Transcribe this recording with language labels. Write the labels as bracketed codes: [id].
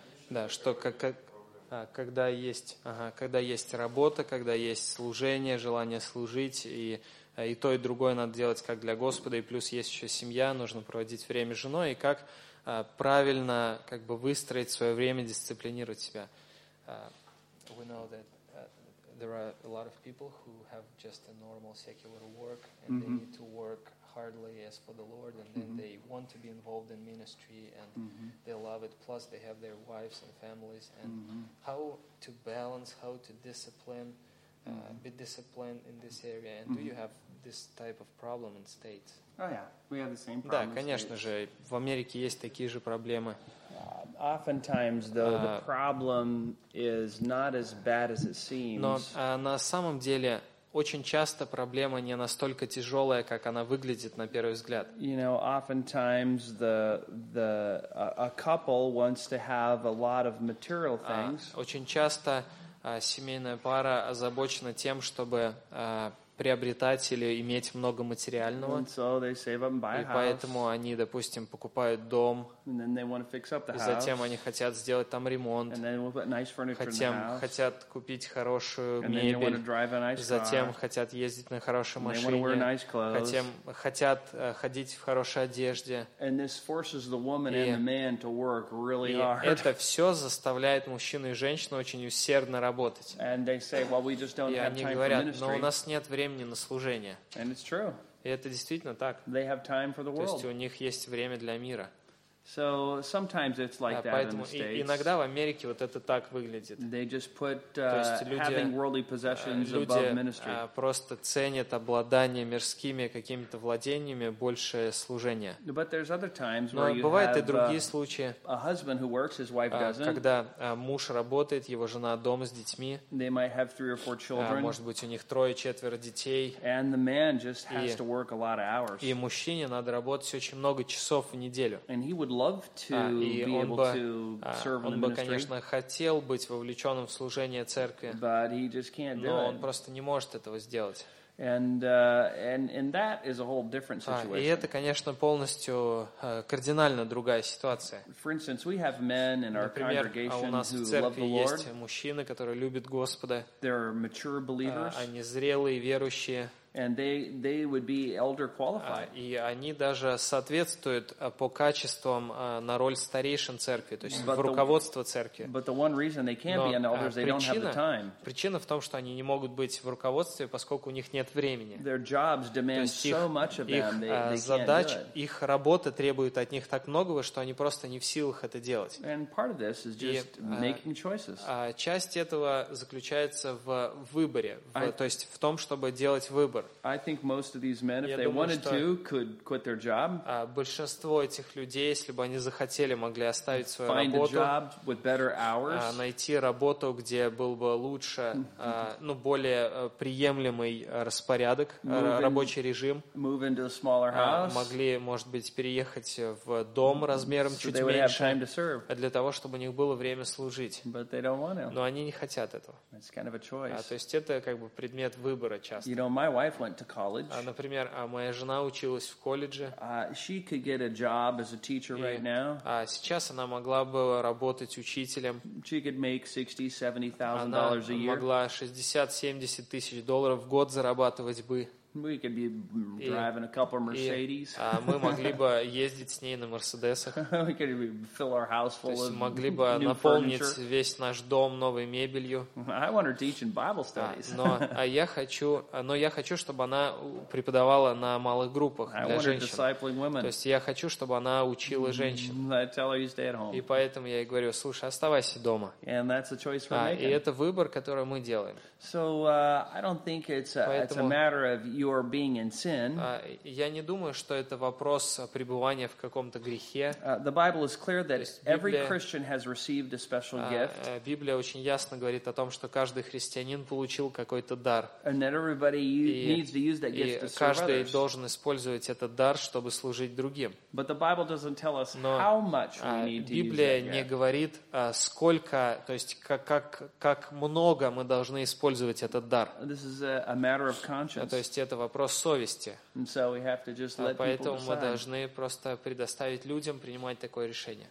[ru] Да, что когда есть работа, когда есть служение, желание служить, и то, и другое надо делать как для Господа, и плюс есть еще семья, нужно проводить время с женой, и как правильно как бы выстроить свое время, дисциплинировать себя. [en] We know that there are a lot of people who have just a normal secular work, and they need to work hardly as for the Lord, and then they want to be involved in ministry, and they love it, plus they have their wives and families, and how to balance, how to discipline be disciplined in this area, and do you have this type of problem in states? Oh yeah, we have the same problem. [ru] Да, конечно же, в Америке есть такие же проблемы. [en] Oftentimes, though, the problem is not as bad as it seems. [ru] Но на самом деле очень часто проблема не настолько тяжелая, как она выглядит на первый взгляд. [en] You know, oftentimes a couple wants to have a lot of material things. [ru] Очень часто семейная пара озабочена тем, чтобы приобретать или иметь много материального. [en] And so they save up and buy a house. [ru] И поэтому они, допустим, покупают дом. [en] And then they want to fix up the house. [ru] И затем они хотят сделать там ремонт. [en] And then they want to put nice furniture in the house. [ru] Хотят купить хорошую [en] and [ru] мебель. [en] And then they want to drive a nice car. [ru] Затем хотят ездить на хорошей машине. [en] And they want to wear nice clothes. [ru] Хотят ходить в хорошей одежде. [en] And this forces the woman and the man to work really hard. [ru] И это все заставляет мужчину и женщину очень усердно работать. [en] And they say, well, we just don't have time for ministry. [ru] Но у нас нет времени на служение. [en] And it's true. [ru] И это действительно так. [en] They have time for the world. [ru] То есть у них есть время для мира. [en] So sometimes it's like that [ru] поэтому [en] in the States. [ru] Иногда в Америке вот это так выглядит. [en] They just put having worldly possessions [ru] люди, [en] above ministry. [ru] Люди просто ценят обладание мирскими какими-то владениями больше служения. [en] But there's other times [ru] но [en] where [ru] бывают [en] you have [ru] и другие случаи. [en] A husband who works, his wife doesn't. [ru] Когда муж работает, его жена дома с детьми. [en] They might have three or four children. [ru] Может быть, у них трое-четверо детей. [en] And the man just has to work a lot of hours. [ru] И мужчине надо работать очень много часов в неделю. [en] And he would love to be able to serve in the ministry. [ru] Конечно, хотел быть вовлечённым в служение церкви. [en] But he just can't do it. [ru] Но он просто не может этого сделать. [en] And that is a whole different situation. [ru] И это, конечно, полностью кардинально другая ситуация. [en] For instance, we have men in our congregation who love the Lord. [ru] У нас есть мужчины, которые любят Господа. [en] They're mature believers. [ru] Они зрелые верующие. [en] And they would be elder qualified. [ru] И они даже соответствуют по качествам на роль старейшин церкви, то есть в руководство церкви. [en] But the one reason they can't be an elder is they don't have the time. [ru] Причина в том, что они не могут быть в руководстве, поскольку у них нет времени. [en] Their jobs demand so much of them. [ru] Их работа требует от них так многого, что они просто не в силах это делать. [en] And part of this is just making choices. [ru] А часть этого заключается в выборе, то есть в том, чтобы делать выбор. [en] I think most of these men, if they wanted to, could quit their job. [ru] Большинство этих людей, если бы они захотели, могли оставить свою работу. [en] Find a job with better hours. [ru] Найти работу, где был бы лучше, более приемлемый распорядок, рабочий режим. [en] Move into a smaller house. [ru] Могли, может быть, переехать в дом размером чуть меньше. [en] So they would have time to serve. [ru] Для того, чтобы у них было время служить. [en] But they don't want to. [ru] Но они не хотят этого. [en] It's kind of a choice. [ru] То есть это как бы предмет выбора часто. [en] You know, my wife went to college. [ru] Например, моя жена училась в колледже. [en] She could get a job as a teacher right now. [ru] Сейчас она могла бы работать учителем. [en] She could make $60,000-$70,000 a year. [ru] Она могла 60-70 тысяч долларов в год зарабатывать бы. [en] We could be driving a couple of Mercedes. [ru] Мы могли бы ездить с ней на Мерседесах. [en] We could be fill our house full of new furniture. [ru] Могли бы наполнить весь наш дом новой мебелью. [en] I want her teaching Bible studies. [ru] Но я хочу, чтобы она преподавала на малых группах для женщин. [en] I want her discipling women. [ru] То есть я хочу, чтобы она учила женщин. [en] I tell her you stay at home. [ru] И поэтому я ей говорю: слушай, оставайся дома. [en] And that's a choice we're making. [ru] И это выбор, который мы делаем. [en] So I don't think it's a matter of you are being in sin. [ru] Я не думаю, что это вопрос пребывания в каком-то грехе. [en] The Bible is clear that every Christian has received a special gift. [ru] Библия очень ясно говорит о том, что каждый христианин получил какой-то дар. [en] And that everybody needs to use that gift to serve others. [ru] И каждый должен использовать этот дар, чтобы служить другим. [en] But the Bible doesn't tell us how much we need to use it. [ru] Библия не говорит, сколько, то есть как много мы должны использовать этот дар. [en] This is a matter of conscience. [ru] То есть это вопрос совести. [en] So we have to just let [ru] поэтому мы должны просто предоставить людям принимать такое решение.